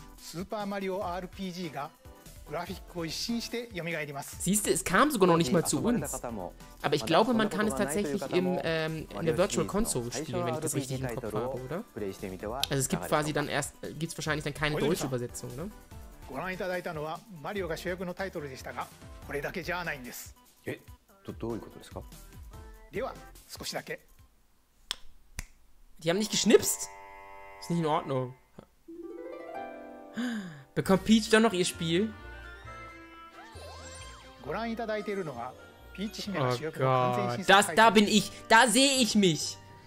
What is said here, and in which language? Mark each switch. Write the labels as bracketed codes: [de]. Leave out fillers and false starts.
[ja] Super Mario RPG が Grafik を一新して蘇ります. [de] Siehst du, es kam sogar noch nicht mal zu uns. Aber ich glaube, man kann es tatsächlich im, in der Virtual Console spielen, wenn ich das richtig im Kopf habe, oder? Also es gibt quasi dann erst, gibt es wahrscheinlich dann keine deutsche Übersetzung, ne? [ja] ご覧いただいたのはマリオが主役のタイトルでしたが、これだけじゃないんです。え、どういうことですか？では、少しだけ。 [de] Die haben nicht geschnipst? Ist nicht in Ordnung. Bekommt Peach dann noch ihr Spiel? [ja] ご覧いただいているのは、ピーチ姫が主役の完全新作です。 [de] Das, da bin ich, da sehe ich mich.